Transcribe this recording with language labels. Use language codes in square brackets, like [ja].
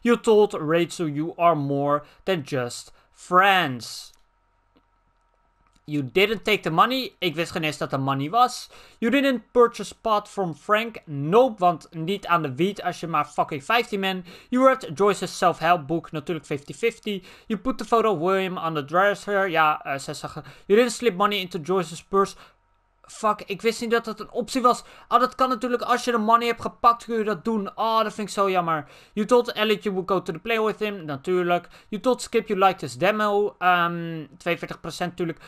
[en] You told Rachel you are more than just friends. You didn't take the money. [nl] Ik wist geen eens dat er money was. [en] You didn't purchase pot from Frank. [nl] Nope, want niet aan de weed als je maar fucking 15 bent. [en] You read Joyce's self-help book. [nl] Natuurlijk 50-50. [en] You put the photo of William on the dresser. [nl] Ja, 60. [en] You didn't slip money into Joyce's purse. [nl] Fuck, ik wist niet dat dat een optie was. Ah, dat kan natuurlijk als je de money hebt gepakt, kun je dat doen. Ah, dat vind ik zo jammer. [en] You told Elliot you would go to the play with him, [nl] natuurlijk. [en] You told Skip you liked his demo, 42% [nl] natuurlijk.